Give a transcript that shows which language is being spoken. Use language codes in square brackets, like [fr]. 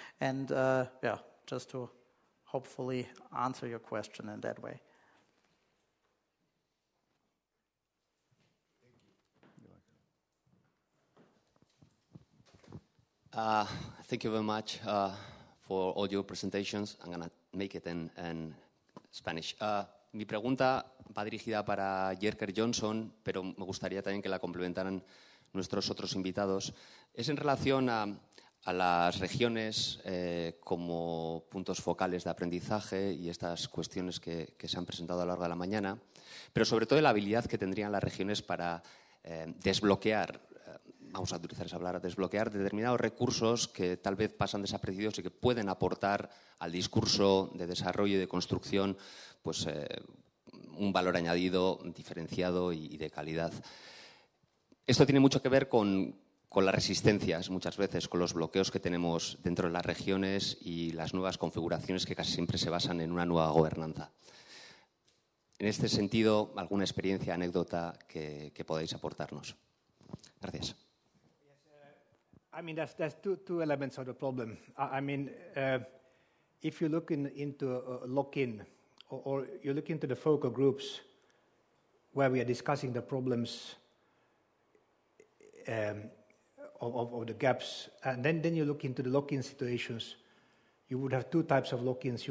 [en] And just to hopefully answer your question in that way. Thank you very much for all your presentations. I'm going to make it in Spanish. [es] Mi pregunta va dirigida para Jerker Johnson, pero me gustaría también que la complementaran nuestros otros invitados. Es en relación a las regiones como puntos focales de aprendizaje y estas cuestiones que se han presentado a lo largo de la mañana, pero sobre todo la habilidad que tendrían las regiones para desbloquear, vamos a utilizar esa palabra, desbloquear determinados recursos que tal vez pasan desapercibidos y que pueden aportar al discurso de desarrollo y de construcción pues un valor añadido diferenciado y de calidad. Esto tiene mucho que ver con las resistencias, muchas veces, con los bloqueos que tenemos dentro de las regiones y las nuevas configuraciones que casi siempre se basan en una nueva gobernanza. En este sentido, ¿alguna experiencia, anécdota que podáis aportarnos? Gracias. [en] Yes, I mean, there's two elements of the problem. I mean, if you look into lock-in or you look into the focal groups where we are discussing the problems of the gaps, and then you look into the lock-in situations, you would have two types of lock-ins.